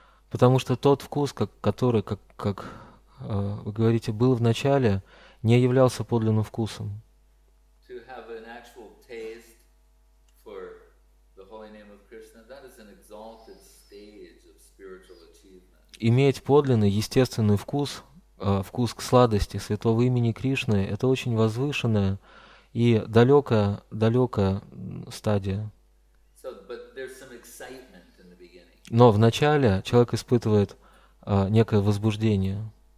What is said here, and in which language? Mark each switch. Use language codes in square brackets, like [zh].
[ru] Потому что тот вкус, который, как вы говорите, был в начале, не являлся подлинным вкусом. [en] To have an actual taste for the holy name of Krishna, that is an exalted stage of spiritual achievement. [ru] Иметь подлинный, естественный вкус, вкус к сладости святого имени Кришны, это очень возвышенная и далекая стадия. [en] So, but there's some excitement in the beginning. [ru] Но в начале человек испытывает некое возбуждение.